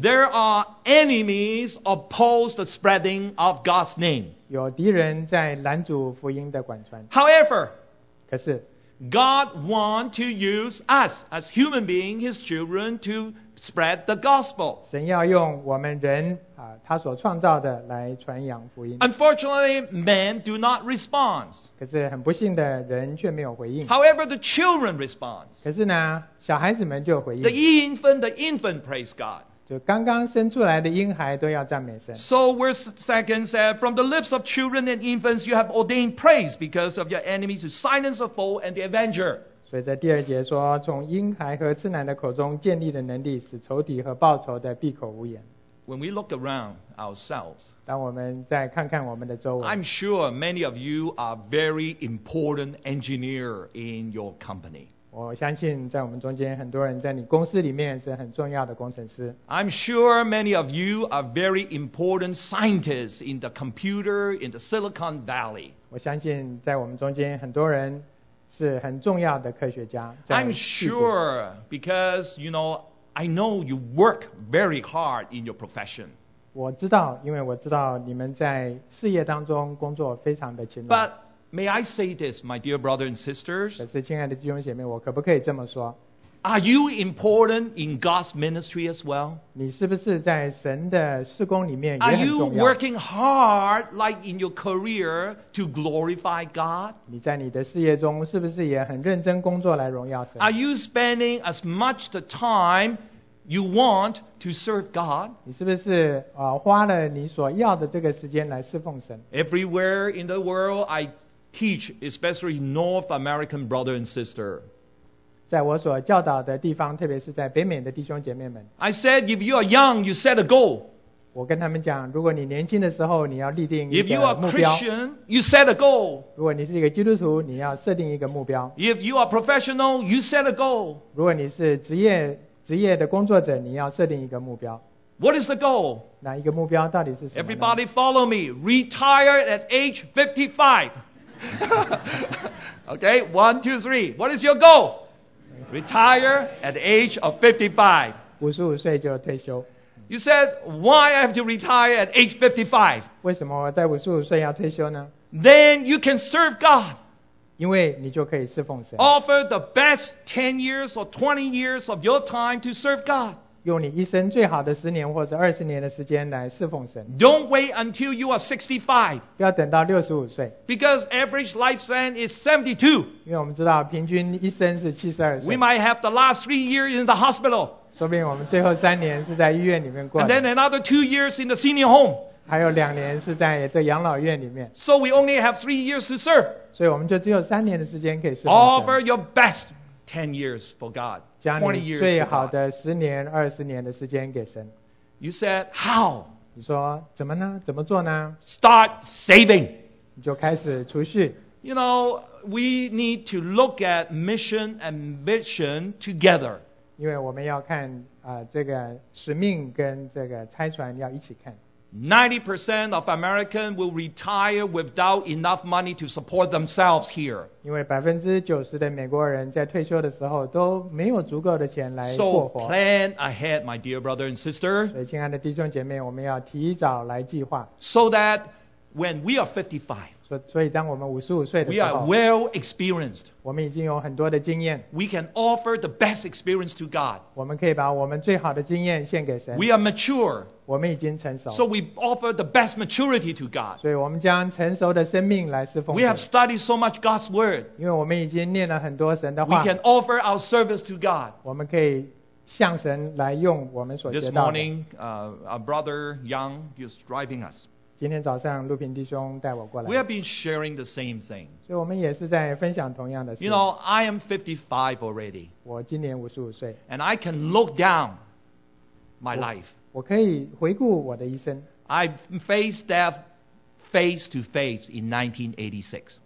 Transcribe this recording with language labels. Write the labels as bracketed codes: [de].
[en] There are enemies opposed to spreading of God's name. [zh] 有敌人在拦阻福音的广传。 [en] However, [zh] 可是, [en] God wants to use us as human beings, his children, to spread the gospel. [zh] 神要用我们人, 祂所创造的来传扬福音。 [en] Unfortunately, men do not respond. [zh] 可是很不幸的人却没有回应。 [en] However, the children respond. [zh] 可是呢, 小孩子们就回应。 [en] The infant praise God. [zh] 就刚刚生出来的婴孩都要赞美神。 [en] So verse 2 said, from the lips of children and infants you have ordained praise because of your enemies to silence the foe and the avenger. [zh] 所以在第二节说，从婴孩和吃奶的口中建立的能力，使仇敌和报仇的闭口无言。 [en] When we look around ourselves, [zh] 当我们再看看我们的周围， [en] I'm sure many of you are very important engineer in your company. [zh] 我相信在我们中间很多人在你公司里面是很重要的工程师。 [en] I'm sure many of you are very important scientists in the computer, in the Silicon Valley. [zh] 我相信在我们中间很多人是很重要的科学家。 [en] I'm sure because, you know,I know you work very hard in your profession. [zh] 我知道，因为我知道你们在事业当中工作非常的勤劳。 [en] But may I say this, my dear brothers and sisters? [zh] 可是亲爱的弟兄姐妹，我可不可以这么说？ [en] Are you important in God's ministry as well? [zh] 你是不是在神的事工里面也很重要？ [en] Are you working hard, like in your career, to glorify God? [zh] 你在你的事业中是不是也很认真工作来荣耀神？ [en] Are you spending as much the time you want to serve God? [zh] 你是不是花了你所要的这个时间来侍奉神？ [en] Everywhere in the world I teach, especially North American brother and sister. [zh] 在我所教导的地方，特别是在北美的弟兄姐妹们。 [en] I said, if you are young, you set a goal. [zh] 我跟他们讲，如果你年轻的时候，你要立定一个目标。 [en] If you are Christian, you set a goal. [zh] 如果你是一个基督徒，你要设定一个目标。 [en] If you are professional, you set a goal. [zh] 如果你是职业的工作者，你要设定一个目标。 [en] What is the goal? [zh] 哪一个目标到底是什么呢？ [en] Everybody follow me. Retire at age 55. Okay, 1, 2, 3. What is your goal? Retire at the age of 55. [zh] 55岁就退休。 [en] You said, why I have to retire at age 55? [zh] 为什么我在55岁要退休呢？ [en] Then you can serve God. [zh] 因为你就可以侍奉神。 [en] Offer the best 10 years or 20 years of your time to serve God. [zh] 用你一生最好的10年或者20年的时间来侍奉神。 [en] Don't wait until you are 65. [zh] 不要等到65岁。 [en] Because average lifespan is 72. [zh] 因为我们知道平均一生是72岁。 [en] We might have the last 3 years in the hospital. [zh] 说不定我们最后三年是在医院里面过的。 [en] And then another 2 years in the senior home. [zh] 还有两年是在这养老院里面。 [en] So we only have 3 years to serve. [zh] 所以我们就只有三年的时间可以侍奉神。 [en] Offer your best 10 years for God. [zh] 将你最好的十年、二十年的时间给神。 [en] You said how? [zh] 你说怎么呢？怎么做呢 [en] ？Start saving. [zh] 你就开始储蓄。 [en] You know we need to look at mission and vision together. [zh] 因为我们要看这个使命跟这个差传要一起看。 [en] 90% of Americans will retire without enough money to support themselves here. [zh] 因为 90% 的美国人在退休的时候都没有足够的钱来过活。 [en] So plan ahead, my dear brother and sister. [zh] 所以亲爱的弟兄姐妹，我们要提早来计划。 [en] So that when we are 55, [zh] 所以当我们55岁的时候， [en] we are well experienced. [zh] 我们已经有很多的经验。 [en] We can offer the best experience to God. [zh] 我们可以把我们最好的经验献给神。 [en] We are mature. [zh] 我们已经成熟。 [en] So we offer the best maturity to God. [zh] 所以我们将成熟的生命来侍奉神。 [en] We have studied so much God's word. [zh] 因为我们已经念了很多神的话。 [en] We can offer our service to God. [zh] 我们可以向神来用我们所学到的。 [en] This morning, our brother Yang is driving us. [zh] 今天早上陆平弟兄带我过来。 [en] We have been sharing the same thing. [zh] 所以我们也是在分享同样的事。 [en] You know, I am 55 already. [zh] 我今年55岁。 [en] And I can look down my life. [zh] 我可以回顾我的一生。 [en] I faced death face to face in 1986.